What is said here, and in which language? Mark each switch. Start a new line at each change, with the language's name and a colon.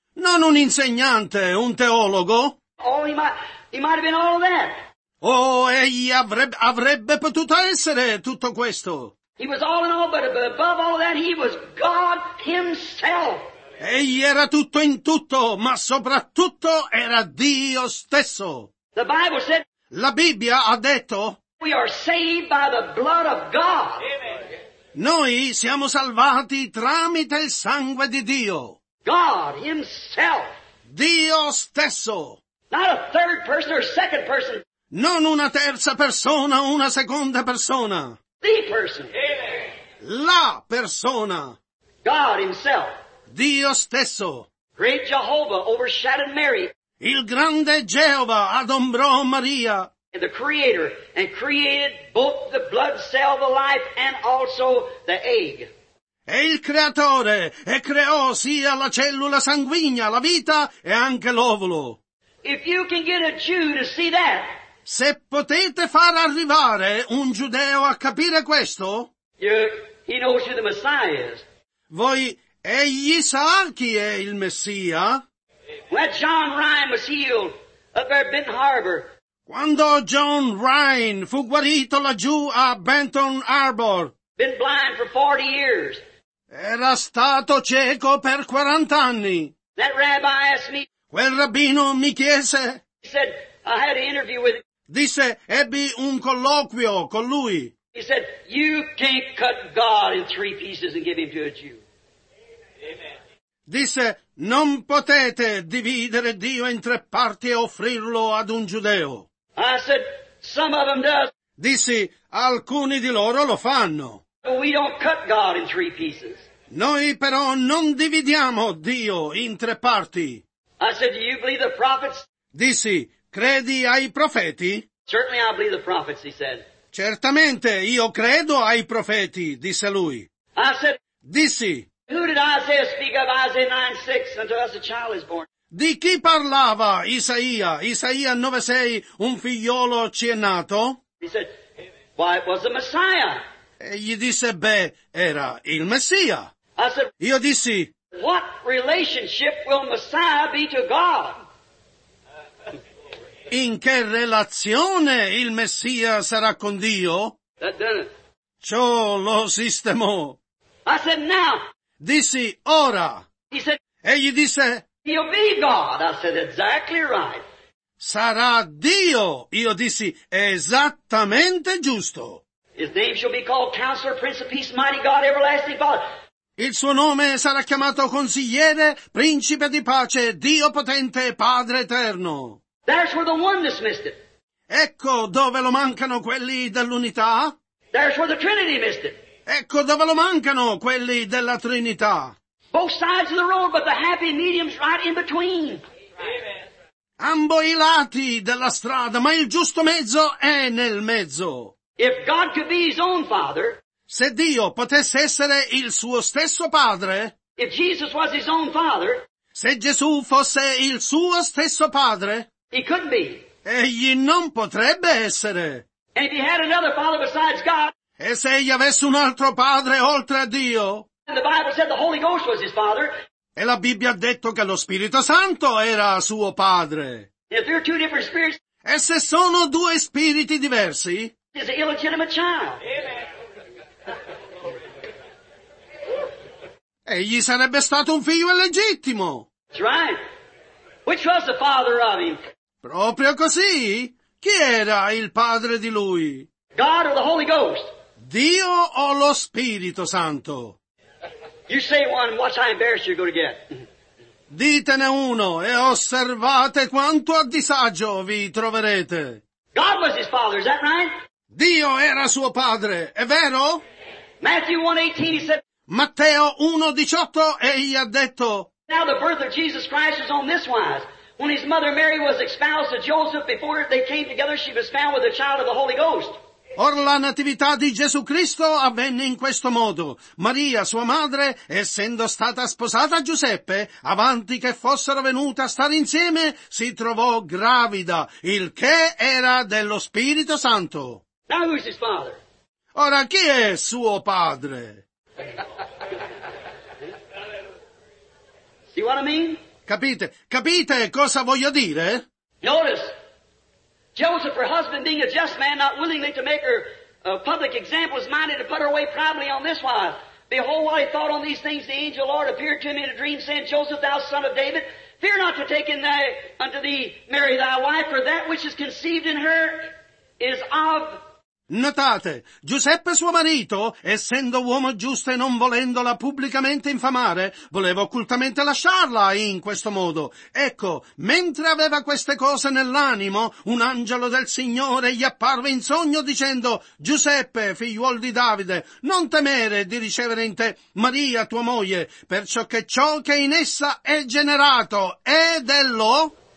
Italian: Non un insegnante, un teologo.
English: Oh, he might have been all of that.
Italian: Oh, egli avrebbe potuto essere tutto questo.
English: He was all in all, but above all that, he was God himself.
Italian: Egli era tutto in tutto, ma soprattutto era Dio stesso.
English: The Bible said,
Italian: la Bibbia ha detto,
English: we are saved by the blood of God. Amen.
Italian: Noi siamo salvati tramite il sangue di Dio.
English: God himself.
Italian: Dio stesso.
English: Not a third person or second person.
Italian: Non una terza persona, una seconda persona.
English: The person. Amen.
Italian: La persona.
English: God himself.
Italian: Dio stesso.
English: Great Jehovah overshadowed Mary.
Italian: Il grande Geova adombrò Maria.
English: And the creator and created both the blood cell, the life, and also the egg.
Italian: E il creatore e creò sia la cellula sanguigna, la vita, e anche l'ovulo.
English: If you can get a Jew to see that,
Italian: se potete far arrivare un giudeo a capire questo,
English: he knows who the Messiah is.
Italian: Voi, egli sa chi è il Messia?
English: When John Ryan was healed up there at Benton Harbor.
Italian: Quando John Ryan fu guarito laggiù a Benton Harbor.
English: Been blind for 40 years.
Italian: Era stato cieco per 40 anni.
English: That rabbi asked me.
Italian: Quel rabbino mi chiese.
English: He said, I had an interview with him.
Italian: Disse, ebbi un colloquio con lui.
English: He said, you can't cut God in three pieces and give him to a Jew. Amen.
Italian: Disse, non potete dividere Dio in tre parti e offrirlo ad un giudeo.
English: I said, some of them does.
Italian: Dissi, alcuni di loro lo fanno.
English: We don't cut God in three pieces.
Italian: Noi però non dividiamo Dio in tre parti.
English: I said, do you believe the prophets?
Italian: Dissi, credi ai profeti?
English: Certainly I believe the prophets, he said.
Italian: Certamente io credo ai profeti, disse lui.
English: I said,
Italian: dissi,
English: who did Isaiah speak of? Isaiah 9:6, unto us a child is born.
Italian: Di chi parlava Isaia? Isaia 9:6, un figliolo ci è nato?
English: He said, why, it was the Messiah.
Italian: E gli disse, beh, era il Messia.
English: I said,
Italian: io dissi,
English: what relationship will Messiah be to God?
Italian: In che relazione il Messia sarà con Dio?
English: That done it.
Italian: Ciò lo sistemò.
English: I said, now.
Italian: Dissi, ora.
English: He said,
Italian: e gli disse,
English: he'll be God. I said, exactly right.
Italian: sarà Dio. Io dissi, esattamente giusto.
English: His name shall be called Counselor, Prince of Peace, Mighty God, Everlasting Father.
Italian: Il suo nome sarà chiamato Consigliere, Principe di Pace, Dio Potente, Padre Eterno.
English: That's where the oneness missed it.
Italian: Ecco dove lo mancano quelli dell'unità.
English: That's where the Trinity missed it.
Italian: Ecco dove lo mancano quelli della Trinità.
English: Both sides of the road, but the happy medium's right in between. Amen.
Italian: Ambo i lati della strada, ma il giusto mezzo è nel mezzo.
English: If God could be his own father,
Italian: se Dio potesse essere il suo stesso padre,
English: if Jesus was his own father,
Italian: se Gesù fosse il suo stesso padre,
English: he couldn't be.
Italian: Egli non potrebbe essere.
English: And if he had another father besides God,
Italian: e se egli avesse un altro padre oltre a Dio,
English: and the Bible said the Holy Ghost was his father,
Italian: e la Bibbia ha detto che lo Spirito Santo era suo padre,
English: if there are two different spirits,
Italian: e se sono due spiriti diversi,
English: is an illegitimate child. Amen.
Italian: Egli sarebbe stato un figlio illegittimo.
English: That's right. Which was the father of him?
Italian: Proprio così. Chi era il padre di lui?
English: God or the Holy Ghost?
Italian: Dio o lo Spirito Santo?
English: You say one, watch how embarrassed you're going to get.
Italian: Ditene uno e osservate quanto a disagio vi troverete.
English: God was his father, is that right?
Italian: Dio era suo padre, è vero?
English: Matthew 1:18 he said,
Italian: Matteo 1:18 egli ha detto,
English: now the birth of Jesus Christ is on this wise. When his mother Mary was espoused to Joseph, before they came together, she was found with a child of the Holy Ghost.
Italian: Or la natività di Gesù Cristo avvenne in questo modo. Maria, sua madre, essendo stata sposata a Giuseppe, avanti che fossero venute a stare insieme, si trovò gravida, il che era dello Spirito Santo.
English: Now who's his father?
Italian: Ora chi è suo padre? See what I mean? Capite? Capite cosa voglio dire?
English: Notice, Joseph, her husband, being a just man, not willingly to make her a public example, was minded to put her away privately on this wise. Behold, while he thought on these things, the angel of the Lord appeared to him in a dream, saying, Joseph, thou son of David, fear not to take in thy, unto thee Mary thy wife, for that which is conceived in her is of...
Italian: Notate, Giuseppe suo marito, essendo uomo giusto e non volendola pubblicamente infamare, voleva occultamente lasciarla in questo modo. Ecco, mentre aveva queste cose nell'animo, un angelo del Signore gli apparve in sogno dicendo, Giuseppe, figliuol di Davide, non temere di ricevere in te Maria, tua moglie, perciò che ciò che in essa è generato è dello...